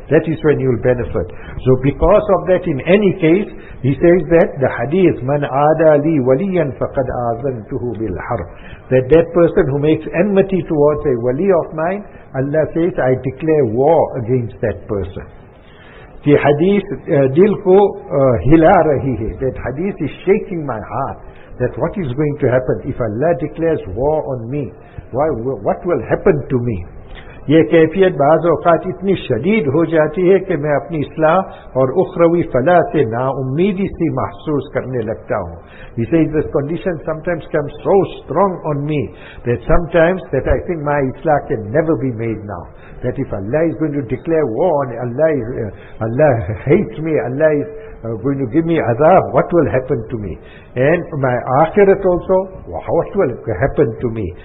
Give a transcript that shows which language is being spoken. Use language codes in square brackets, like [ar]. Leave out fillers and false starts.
[en] That is when you'll benefit. So because of that, in any case, he says that the hadith, [ar] man aada li waliyan faqad aazantuhu bil harb, [en] that that person who makes enmity towards a wali of mine, Allah says, I declare war against that person. The hadith, [ur] dil ko hila rahi hai, [en] that hadith is shaking my heart, that what is going to happen if Allah declares war on me? Why? What will happen to me? [ur] یہ کیفیت بعض اوقات اتنی شدید ہو جاتی ہے کہ میں اپنی اصلاح اور اخروی فلاح سے نا امیدی سی محسوس کرنے لگتا ہوں. [en] He says this condition sometimes comes so strong on me that sometimes that I think my islah can never be made now. That if Allah is going to declare war on Allah, Allah hates me, Allah is going to give me azab, what will happen to me? And my akhirat also, what will happen to me?